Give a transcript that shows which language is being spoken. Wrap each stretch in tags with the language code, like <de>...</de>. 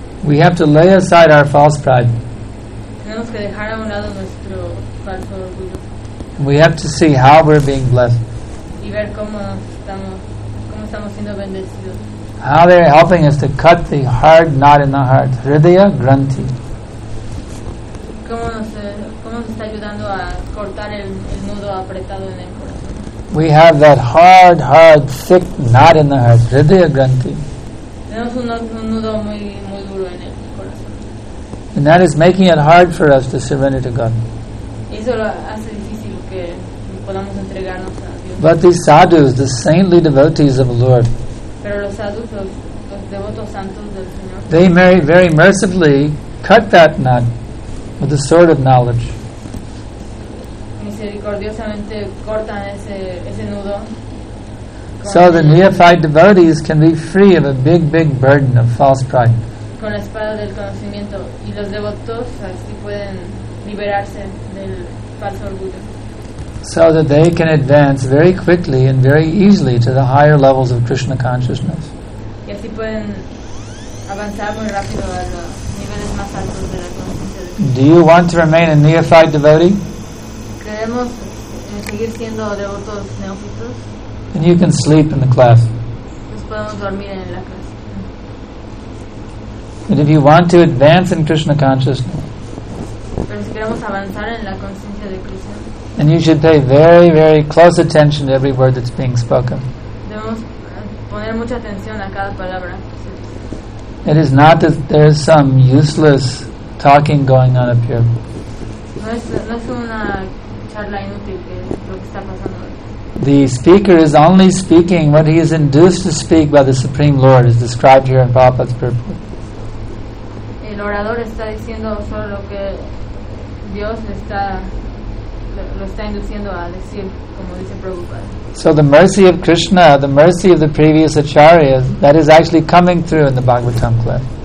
<en>We have to lay aside our false pride.</en> <es>Tenemos que dejar a un lado nuestro falso orgullo.</es> <en>And we have to see how we're being blessed.</en> <es>Y ver cómo estamos siendo bendecidos.</es> <en>How they're helping us to cut the hard knot in the heart, hridaya granthi.</en> <es>Cómo nos está ayudando a cortar el nudo apretado en el corazón.</es> <en>We have that hard, hard, thick knot in the heart, hridaya granthi.</en> <es>Tenemos un nudo muy, muy duro en el corazón.</es> <en>And that is making it hard for us to surrender to God.</en> <es>Eso lo hace difícil que podamos entregarnos a Dios.</es> <en>But the sadhus, the saintly devotees of the Lord,</en> <es>pero los sadhus, los devotos santos del Señor,</es> <en>they very, very mercifully cut that knot with the sword of knowledge.</en> <es>Misericordiosamente cortan ese nudo.</es> <en>So the neophyte devotees can be free of a big, big burden of false pride.</en> <es>Con la espada del conocimiento y los devotos así pueden liberarse del falso orgullo.</es> <en>So that they can advance very quickly and very easily to the higher levels of Krishna consciousness.</en> <es>Y así pueden avanzar muy rápido a los niveles más altos de la conciencia.</es> <en>Do you want to remain a neophyte devotee?</en> <es>Queremos seguir siendo devotos neófitos.</es> <en>And you can sleep in the class.</en> <es>Pues podemos dormir en la clase.</es> <en>And if you want to advance in Krishna consciousness,</en> <es>pero si queremos avanzar en la conciencia de Krishna,</es> <en>then you should pay very, very close attention to every word that's being spoken.</en> <es>Debemos poner mucha atención a cada palabra.</es> <en>It is not that there is some useless talking going on up here.</en> <es>No es una charla inútil lo que está pasando.</es> <en>The speaker is only speaking what he is induced to speak by the Supreme Lord, as described here in Prabhupada's purport.</en> <es>El orador está diciendo solo lo que Dios lo está induciendo a decir, como dice Prabhupada.</es> <en>So the mercy of Krishna, the mercy of the previous acharyas, that is actually coming through in the Bhagavatam class.</en>